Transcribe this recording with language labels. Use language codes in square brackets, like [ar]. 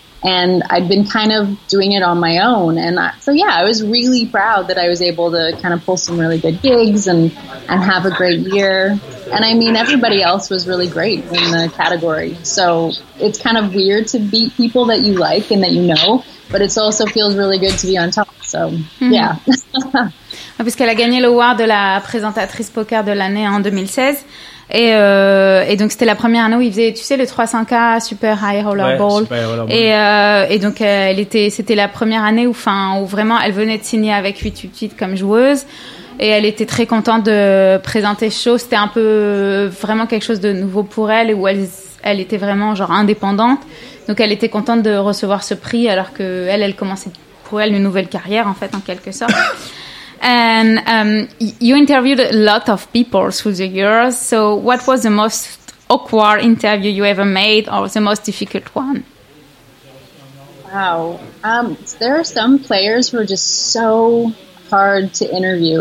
[en] And I'd been kind of doing it on my own. And I was really proud that I was able to kind of pull some really good gigs and have a great year. And I mean, everybody else was really great in the category. So it's kind of weird to beat people that you like and that you know. But it also feels really good to be on top. So, yeah. [fr] Puisqu'elle a gagné l'award de la présentatrice poker de l'année en 2016. Et donc c'était la première année où il faisait, tu sais, le 300K Super High Roller Bowl. C'était la première année où vraiment elle venait de signer avec 888 comme joueuse. Et elle était très contente de présenter ce show. C'était un peu vraiment quelque chose de nouveau pour elle, où elle était vraiment genre indépendante. Donc elle était contente de recevoir ce prix alors que elle commençait pour elle une nouvelle carrière en fait, en quelque sorte. [en] And you interviewed a lot of people through the years. So what was the most awkward interview you ever made or the most difficult one? Wow. There are some players who are just so hard to interview.